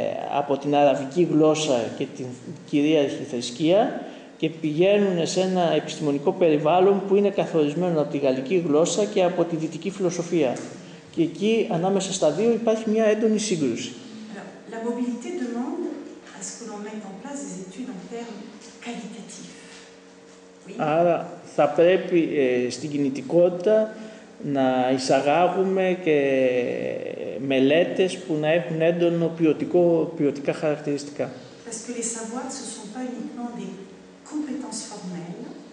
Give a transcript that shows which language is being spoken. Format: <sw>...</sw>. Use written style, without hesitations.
<el>από την αραβική γλώσσα και την κυρίαρχη θρησκεία και πηγαίνουν σε ένα επιστημονικό περιβάλλον που είναι καθορισμένο από τη γαλλική γλώσσα και από τη δυτική φιλοσοφία. Και εκεί, ανάμεσα στα δύο, υπάρχει μια έντονη σύγκρουση.</el> <fr>La mobilité demande à ce que l'on mette en place des études en termes qualitatifs.</fr> <el>Άρα, θα πρέπει στην κινητικότητα να εισαγάγουμε και μελέτες που να έχουν έντονο ποιοτικά χαρακτηριστικά.</el> <fr>Parce que les savoirs, ce sont pas uniquement des compétences formelles.</fr>